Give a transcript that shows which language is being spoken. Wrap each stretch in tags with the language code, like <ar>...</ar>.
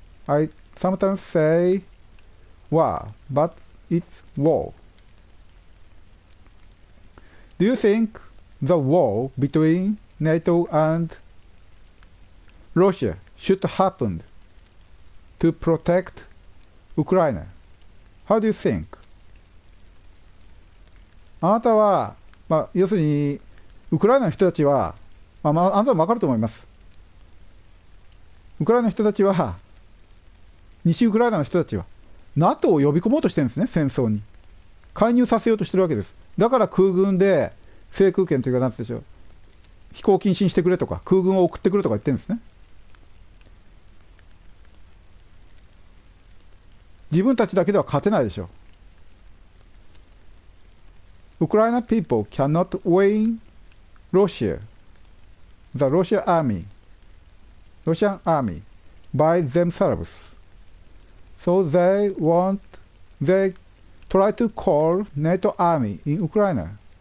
<en>I sometimes say war, but it's wall. Do you think the wall between NATO and Russia should happen to protect Ukraine? How do you think?</en> <ja>あなたは、まあ、要するにウクライナの人たちは、まあ、あなたも分かると思います。ウクライナの人たちは、西ウクライナの人たちは NATO を呼び込もうとしてるんですね。戦争に介入させようとしてるわけです。だから空軍で制空権というか何でしょう、飛行禁止にしてくれとか空軍を送ってくれとか言ってるんですね。自分たちだけでは勝てないでしょう。</ja> <en>Ukraine people cannot win Russia the Russian army Russian army by themselves so they want they try to call NATO army in Ukraine.</en>